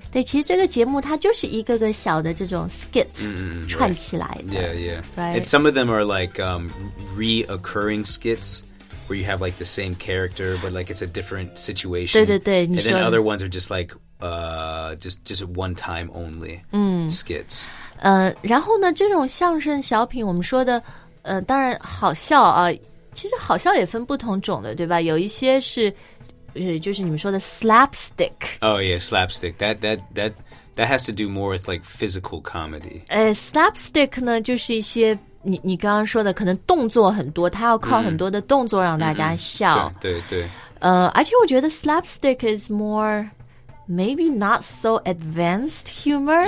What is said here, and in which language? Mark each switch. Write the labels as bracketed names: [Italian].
[Chinese] 对，其实这个节目它就是一个个小的这种 skit 串起来的。 [English] Yeah, yeah. Right. And some of them are like reoccurring skits where you have like the same character but like it's a different situation. [Chinese] 对对对，你说。 [English] And then other ones are just like just one time only skits. [Chinese] 然后呢，这种相声小品我们说的。当然好笑啊，其实好笑也分不同种的，对吧？有一些是，就是你们说的 slapstick。 [English] Oh yeah, slapstick. That has to do more with like physical comedy. [Chinese] Slapstick 呢，就是一些你刚刚说的，可能动作很多，它要靠很多的动作让大家笑。 Mm-hmm. 对对。而且我觉得 [English] slapstick is more maybe not so advanced humor.